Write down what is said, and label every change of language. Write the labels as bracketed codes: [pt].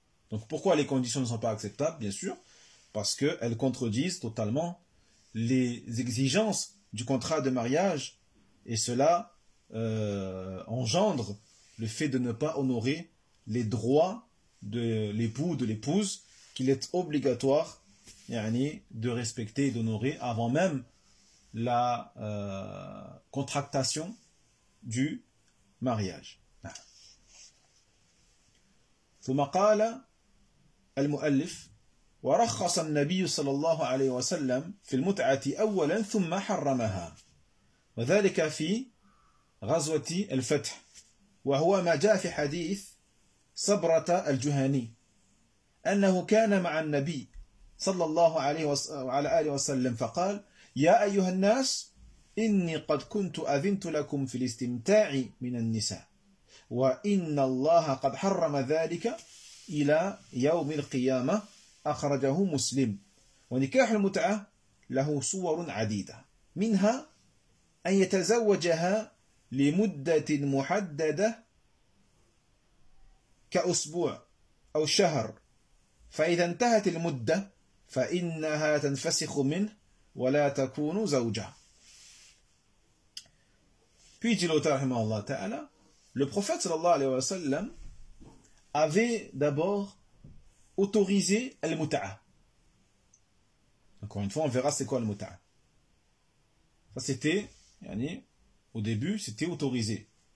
[fr] Donc, pourquoi les conditions ne sont pas acceptables ? Bien sûr, parce qu'elles contredisent totalement les exigences du contrat de mariage et cela engendre le fait de ne pas honorer les droits de l'époux ou de l'épouse qu'il est obligatoire de respecter et d'honorer avant même la contractation du mariage. [ar] ثم قال المؤلف ورخص النبي صلى الله عليه وسلم في المتعة أولا ثم حرمها وذلك في غزوة الفتح وهو ما جاء في حديث صبرة الجهني أنه كان مع النبي صلى الله عليه وعلى آله وسلم فقال يا أيها الناس إني قد كنت أذنت لكم في الاستمتاع من النساء وإن الله قد حرم ذلك إلى يوم القيامة أخرجه مسلم ونكاح المتعة له صور عديدة منها أن يتزوجها لمدة محددة كأسبوع أو شهر فإذا انتهت المدة فإنها تنفسخ منه ولا تكون زوجة. [fr] Puis dit l'auteur, Allah Ta'ala, le prophète [ar] sallallahu alayhi wa sallam [fr] avait d'abord autorisé al-muta'a. Encore une fois, on verra c'est quoi al-muta'a. Ça c'était, yani, au début, c'était autorisé.